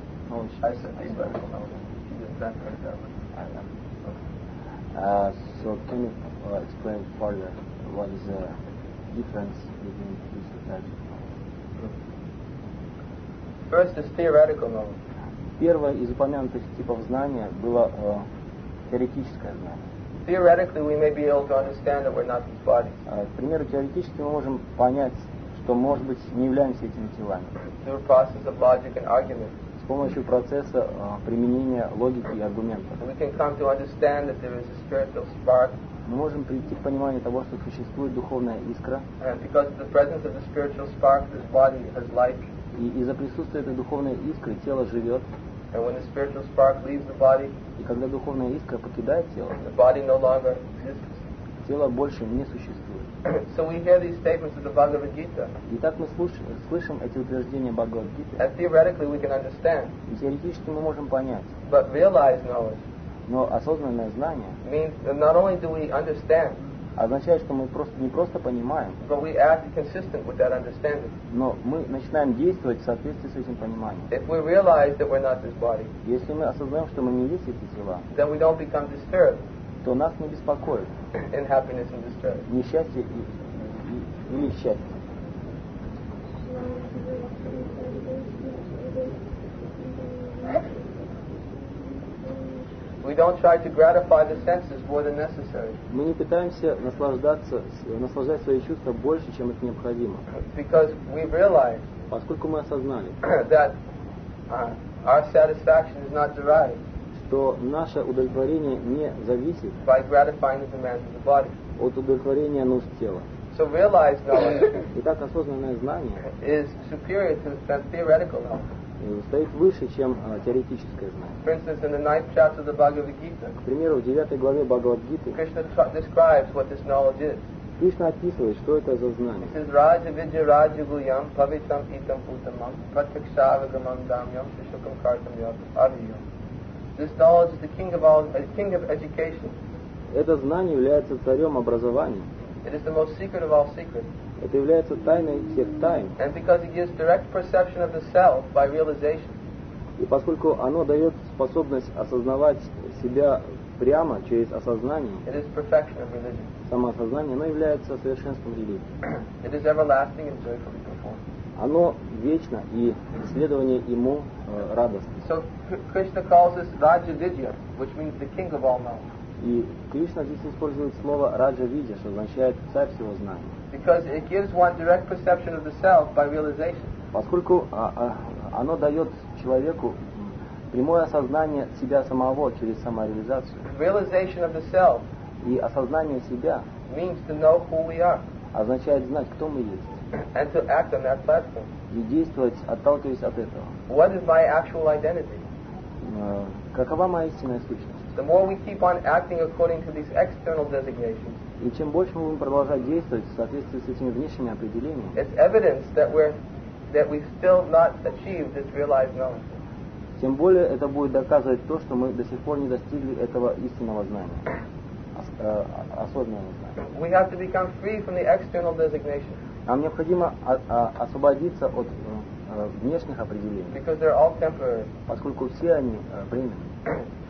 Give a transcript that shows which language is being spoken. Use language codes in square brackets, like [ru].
[en] Knowledge. I said theoretical knowledge. So can you explain further what is the difference between these two types of knowledge? First is theoretical knowledge. [ru] Первое из упомянутых типов знания было теоретическое знание. [en] Theoretically, we may be able to understand that we're not these bodies. [ru] К примеру, теоретически мы можем понять, что, может быть, не являемся этими телами. [en] Through the process of logic and argument. [ru] С помощью процесса применения логики и аргументов. [en] We can come to understand that there is a spiritual spark. [ru] Мы можем прийти к пониманию того, что существует духовная искра. [en] And because of the presence of the spiritual spark, this body has life. [ru] И из-за присутствия этой духовной искры тело живет. [en] And when the spiritual spark leaves the body, [ru] и когда духовная искра покидает тело, [en] the body no longer exists. [ru] Тело больше не существует. [en] So we hear these statements of the Bhagavad Gita. [ru] Итак, мы слышим эти утверждения Бхагавад Гиты. [en] And theoretically we can understand. [ru] И теоретически мы можем понять. [en] But realized knowledge. [ru] Но осознанное знание [en] means that not only do we understand, [ru] означает, что мы просто не просто понимаем, [en] but we act consistent with that understanding. [ru] Но мы начинаем действовать в соответствии с этим пониманием. [en] If we realize that we're not this body, [ru] если мы осознаем, что мы не есть эти тела, [en] then we don't become disturbed, [ru] то нас не беспокоит [en] in happiness and distress. [ru] Несчастье или счастье. [en] We don't try to gratify the senses more than necessary. [ru] Мы не пытаемся наслаждать свои чувства больше, чем это необходимо. [en] Because we realize, [ru] поскольку мы осознали, [en] that our satisfaction is not derived, [ru] что наше удовлетворение не зависит [en] by gratifying the demands of the body. [ru] От удовлетворения нужд тела. [en] So realized knowledge [ru] Итак, осознанное знание [en] is superior to the theoretical knowledge. [ru] Стоит выше, чем теоретическое знание. [en] For instance, in the ninth chapter of the Bhagavad Gita, [ru] к примеру, в девятой главе Бхагавад Гиты, [en] Krishna describes what this knowledge is. [ru] Кришна описывает, что это за знание. [en] He says, [sa] Raja Vidya Raja Guyam Pavitam Itam Putamam Pratyakshavagamam Damyam Shishukam Kartam Yavaviyam. [en] This knowledge is the king of all, king of education. [ru] Это знание является царем образования. [en] It is the most secret of all secrets. [ru] Это является тайной всех тайн. [en] And because it gives direct perception of the self by realization. [ru] И поскольку оно дает способность осознавать себя прямо через осознание. [en] It is perfection of religion. [ru] Самоосознание, оно является совершенством религии. [en] It is everlasting and joyfully performed. [ru] Оно вечно, и следование ему радостно. [en] So Krishna calls this Raja Vidya, which means the king of all knowledge. [ru] И Кришна здесь использует слово Раджа Видья, что означает царь всего знания. [en] Because it gives one direct perception of the self by realization. [ru] Поскольку оно дает человеку прямое осознание себя самого через самореализацию. [en] Realization of the self. [ru] И осознание себя [en] means to know who we are. [ru] Означает знать, кто мы есть. [en] And to act on that platform. [ru] И действовать, отталкиваясь от этого. [en] What is my actual identity? [ru] Какова моя истинная сущность? [en] The more we keep on acting according to these external designations, [ru] и чем больше мы будем продолжать действовать в соответствии с этими внешними определениями, [en] it's evidence that we still not achieved this realized knowledge. [ru] Тем более это будет доказывать то, что мы до сих пор не достигли этого истинного знания, осознанного знания. [en] We have to become free from the external designations. [ru] Нам необходимо освободиться от внешних определений, [en] because they're all temporary. [ru] Поскольку все они временные.